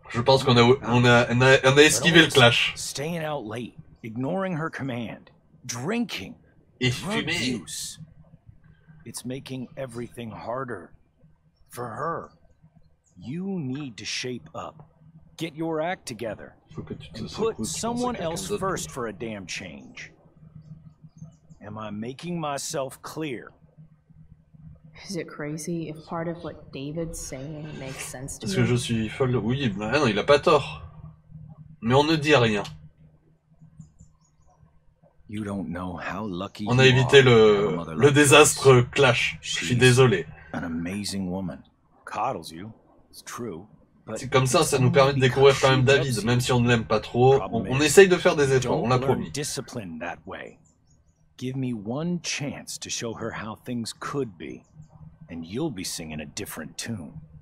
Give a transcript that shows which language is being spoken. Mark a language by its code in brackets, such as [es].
[fr] Je pense qu'on a esquivé le clash. [en] Staying out late, ignoring her command, drinking, drug use. It's making everything harder for her. You need to shape up. Get your act together. And put someone else first for a damn change. Am I making myself clear? Is it crazy if part of what David's saying makes sense to me? [fr] Est-ce que je suis folle? Oui, bah non, il a pas tort. Mais on ne dit rien. [en] You don't know how lucky. [fr] On a évité le désastre clash. Je suis désolé. [en] An amazing woman coddles you. It's true. [fr] C'est comme ça, ça nous permet de découvrir quand même David, même si on ne l'aime pas trop. On essaye de faire des efforts. On l'a promis. [en] Discipline that way. Give me one chance to show her how things could be. And you'll be singing a different tune.